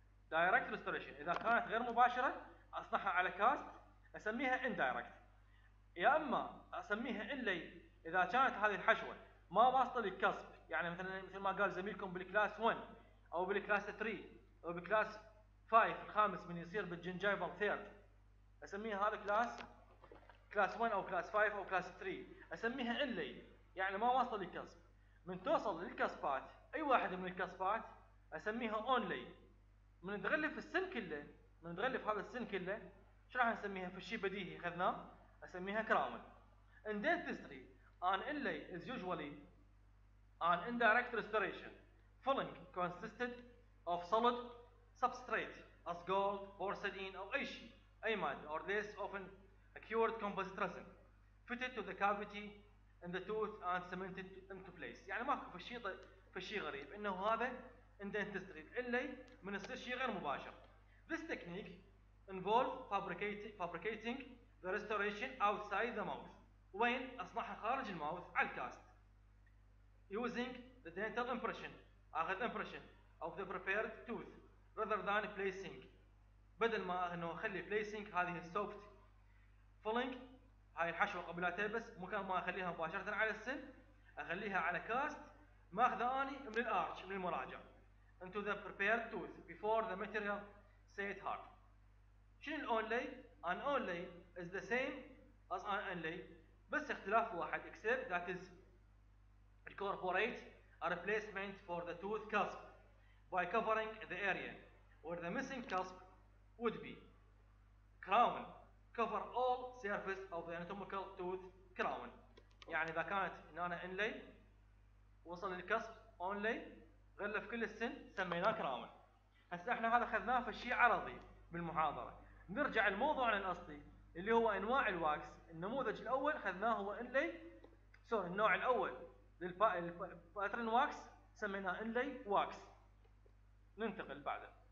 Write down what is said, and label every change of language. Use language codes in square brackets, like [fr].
[ar] دايركت ريستوريشن، اذا كانت غير مباشره اصنعها على كاست اسميها اندايركت، يا اما اسميها انلي اذا كانت هذه الحشوه ما واصله للكسب، يعني مثل ما قال زميلكم بالكلاس 1 او بالكلاس 3 او بالكلاس 5 الخامس من يصير بالجنجايبل ثيرد اسميها هذا كلاس 1 او كلاس 5 او كلاس 3 اسميها انلي، يعني ما واصله للكسب. من توصل للكسبات اي واحده من الكسبات اسميها اونلي. من نتغلف السن كله، من نتغلف هذا السن كله شو راح نسميها؟ في شيء بديهي اخذناه اسميها كراون. [en] In dentistry an inlay is usually an indirect restoration filling consisted of solid substrate as gold, porcelain [ar] او اي شيء اي ماده [en] or this often a cured composite resin fitted to the cavity in the tooth and cemented into place. [ar] يعني ماكو في شيء غريب انه هذا in dentistry inlay من يصير شيء غير مباشر. [en] This technique involves fabricating the restoration outside the mouth. [ar] وين اصنعها خارج الماوث على الكاست. [en] Using the dental impression. [ar] اخذ [en] impression of the prepared tooth rather than placing. [ar] بدل ما انه اخلي [en] placing [ar] هذه السوفت فولينج هاي الحشوة قبل لا تلبس، مكان ما اخليها مباشرة على السن اخليها على كاست ماخذه اني من الارش من المراجع. [en] Into the prepared tooth before the material set hard. [ar] شنو الأونلي؟ [en] An onlay is the same as an inlay [ar] بس اختلاف واحد [en] except that is incorporate a replacement for the tooth cusp by covering the area where the missing cusp would be. Crown cover all surface of the anatomical tooth crown. [ar] يعني إذا كانت إن أنا إنلي وصل الكسب أونلي غلف كل السن سميناه كرامن. هسا إحنا هذا خذناه في شيء عرضي بالمحاضرة. نرجع لموضوعنا الأصلي اللي هو أنواع الواكس. النموذج الأول خذناه هو إنلي، سوري النوع الأول للباترن واكس سميناه إنلي واكس. ننتقل بعده.